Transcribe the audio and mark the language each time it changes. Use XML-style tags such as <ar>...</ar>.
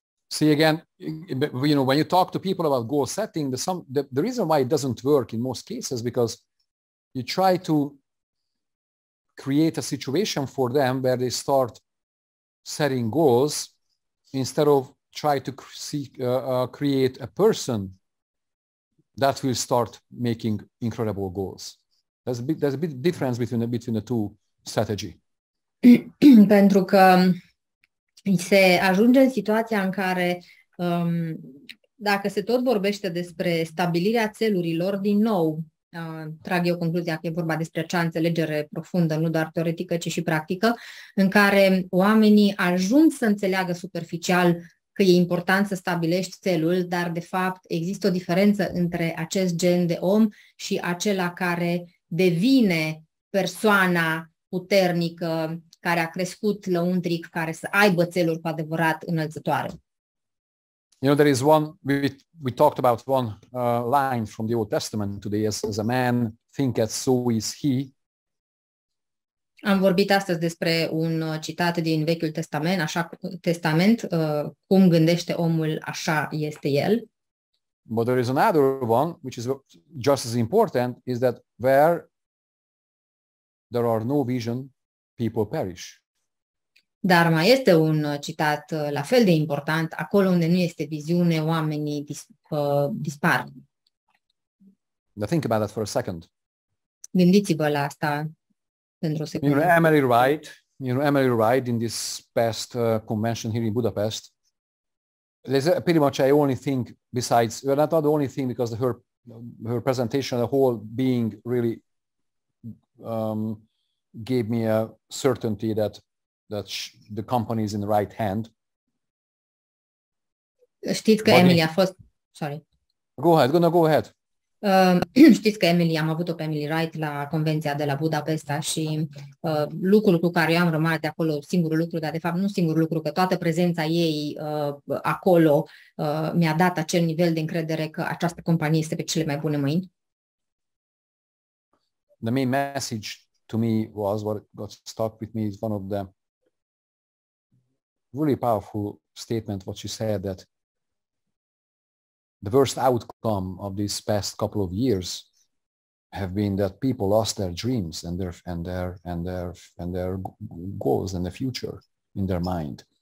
<en>See, again, you know, when you talk to people about goal setting, the reason why it doesn't work in most cases, because you try to create a situation for them where they start setting goals instead of try to create a person that will start making incredible goals. There's a big difference between the two strategy.</en> <ro>Pentru că se ajunge în situația în care, dacă se tot vorbește despre stabilirea țelurilor, din nou, trag eu concluzia că e vorba despre acea înțelegere profundă, nu doar teoretică, ci și practică, în care oamenii ajung să înțeleagă superficial că e important să stabilești țelul, dar, de fapt, există o diferență între acest gen de om și acela care devine persoana puternică, care a crescut lăuntric, care să aibă țeluri cu adevărat înălțătoare.</ro> <en>You know, there is one, we talked about one line from the Old Testament today, as a man thinketh, so is he.</en> <ro>Am vorbit astăzi despre un citat din Vechiul Testament, cum gândește omul, așa este el.</ro> <en>But there is another one, which is just as important, is that where there are no vision, people perish.</en> <ro>Dar mai este un citat la fel de important, acolo unde nu este viziune, oamenii dispar.</ro> <en>Now think about that for a second.</en> <ro>Gândiți-vă la asta pentru o secundă.</ro> <en>You know, Emily Wright, you know, Emily Wright in this past convention here in Budapest. Pretty much I only think besides, well, not the only thing, because her presentation, the whole being really gave me a certainty that the company is in the right hand.</en> <ro>Știți că Emily a fost,</ro> <en>sorry. Go ahead.</en> <ro>Știți că Emily, am avut-o pe Emily Wright la convenția de la Budapesta și lucrul cu care eu am rămas de acolo, singurul lucru, dar de fapt nu singurul lucru, că toată prezența ei acolo mi-a dat acel nivel de încredere că această companie este pe cele mai bune mâini.</ro> <en>The main message to me was what got stuck with me is one of the really powerful statement what she said, that the worst outcome of these past couple of years have been that people lost their dreams and their goals and the future in their mind.</en>